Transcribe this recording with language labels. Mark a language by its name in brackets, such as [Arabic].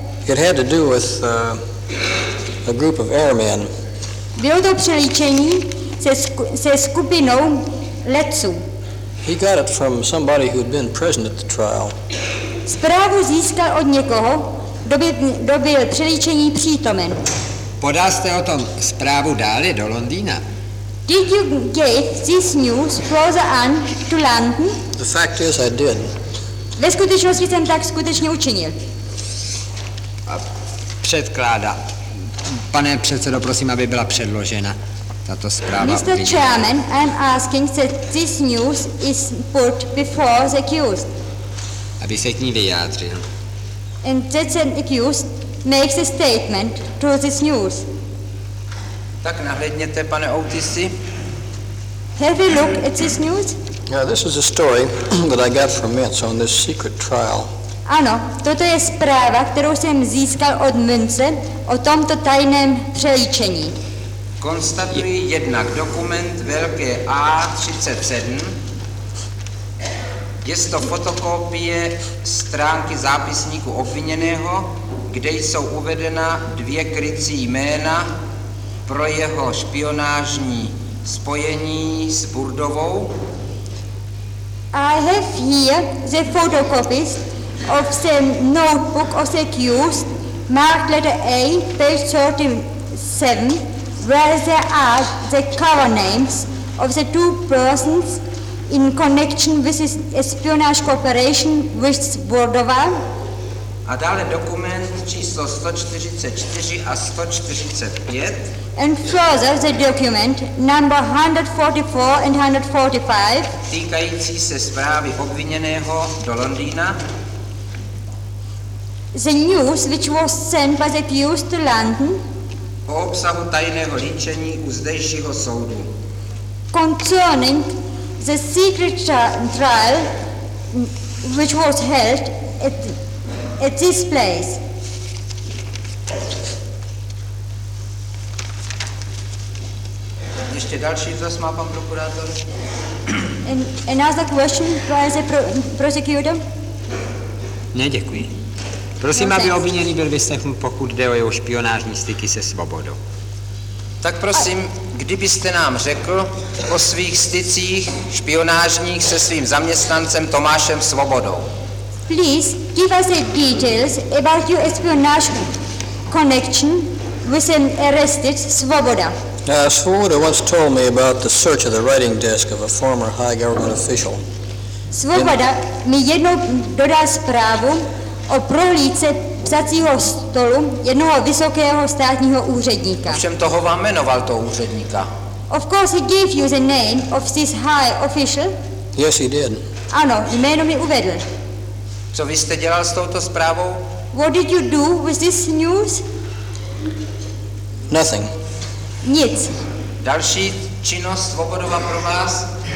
[English] It had to do with a group of airmen. [Czech] Bylo to přeléčení se skupinou letců. [English] He got it from somebody who had been present at the trial. [Czech] Zprávu získal od někoho, kdo byl přeléčení přítomen. Podal jste o tom zprávu dále do Londýna? [English] Did you give this news further on to London? The fact is, I did. [Czech] Ve skutečnosti jsem tak skutečně učinil. Předkládá. Pane předsedo, prosím, aby byla předložena tato zpráva. Mr. Uvidíme. [English] Chairman, I am asking that this news is put before the accused. [Czech] Aby se k ní vyjádřil. [English] And that the accused makes a statement to this news. [Czech] Tak nahlédněte, pane Otisi. [English] Have a look at this news? Yeah, this is a story that I got from Münz on this secret trial. [Czech] Ano, toto je zpráva, kterou jsem získal od Münze o tomto tajném přeléčení. Konstatuji jednak dokument velké A37. Je to fotokopie stránky zápisníku obviněného, kde jsou uvedena dvě krycí jména pro jeho špionážní spojení s Burdovou. [English] I have here the photocopies of the notebook of the accused, marked letter A, page 37, where there are the cover names of the two persons in connection with his espionage cooperation with Burdova. [Czech] A dále dokument číslo 144 a 145. [English] And further, the document number 144 and 145 [Czech] týkající se zprávy obviněného do Londýna. [English] The news which was sent by the accused to London [Czech] o obsahu tajného líčení u zdejšího soudu. [English] Concerning the secret trial which was held at this place. [Czech] Ještě další dotaz má pan prokurátor. [English] Another question by the prosecutor? [Czech] Ne, děkuji. Prosím, aby obviněný byl vyslechnut, pokud jde o jeho špionážní styky se Svobodou. Tak prosím, kdybyste nám řekl o svých stycích špionážních se svým zaměstnancem Tomášem Svobodou. [English] Please give us the details about your espionage connection with an arrested Svoboda. Svoboda once told me about the search of the writing desk of a former high government official. [Czech] Svoboda mi jednou dodal zprávu o prohlídce psacího stolu jednoho vysokého státního úředníka. Ovšem toho vám jmenoval toho úředníka. [English] Of course he gave you the name of this high official. Yes, he did. [Czech] Ano, jméno mi uvedl. Co vy jste dělal s touto zprávou? [English] What did you do with this news? Nothing. [Czech] Nic. Další činnost Svobodova pro vás?